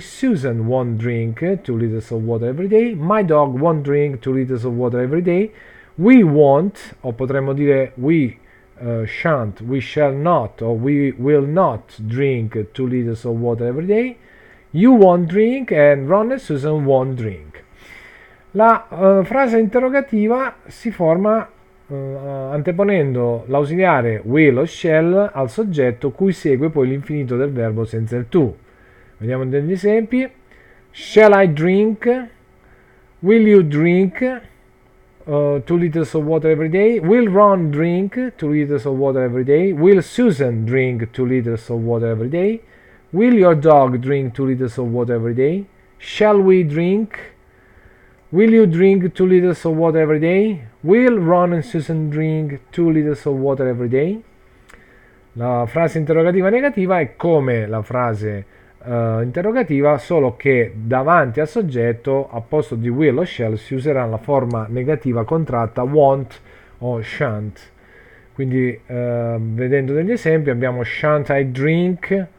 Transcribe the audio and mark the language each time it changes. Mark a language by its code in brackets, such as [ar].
[en] Susan won't drink 2 liters of water every day. My dog won't drink 2 liters of water every day. We won't, [it] o potremmo dire [en] shan't, we shall not, o we will not drink 2 liters of water every day. You won't drink and Ron and Susan won't drink. [it] La frase interrogativa si forma anteponendo l'ausiliare will o shall al soggetto cui segue poi l'infinito del verbo senza il to. Vediamo degli esempi. [en] Shall I drink? Will you drink 2 liters of water every day? Will Ron drink 2 liters of water every day? Will Susan drink 2 liters of water every day? Will your dog drink 2 liters of water every day? Shall we drink? Will you drink 2 liters of water every day? Will Ron and Susan drink 2 liters of water every day? [it] La frase interrogativa negativa è come la frase interrogativa, solo che davanti al soggetto, a posto di will o shall, si userà la forma negativa contratta won't o shan't. Quindi, vedendo degli esempi, abbiamo [en] shan't I drink?